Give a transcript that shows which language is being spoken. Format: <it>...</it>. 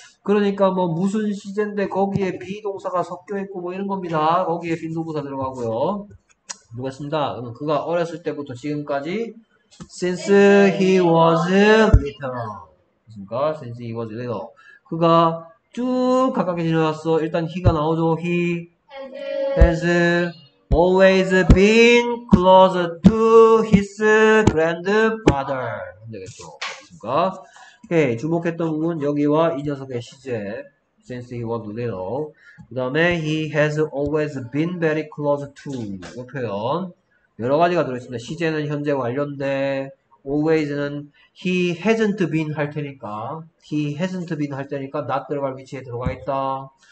<ko>그러니까 뭐 무슨 시제인데 거기에 비동사가 섞여 있고 뭐 이런 겁니다. 거기에 빈도부사 들어가고요. 보겠습니다. 그러면 그가 어렸을 때부터 지금까지</ko> <en>since he was little.</en> <ko>됐습니까? since he was little. 그가 쭉 가깝게 지내왔어. 일단 he가 나오죠.</ko> <en>he has always been close to his grandfather.</en> <ko>되겠죠. 됐습니까? 오케이. 주목했던 부분, 여기와 이 녀석의 시제.</ko> <en>since he was little.</en> <ko>그 다음에</ko> <en>he has always been very close to.</en> <ko>이 표현. 여러 가지가 들어있습니다. 시제는 현재 완료인데, always는</ko> <en>he hasn't been</en> <ko>할 테니까, he hasn't been 할 테니까, not 들어갈 위치에 들어가 있다.</ko>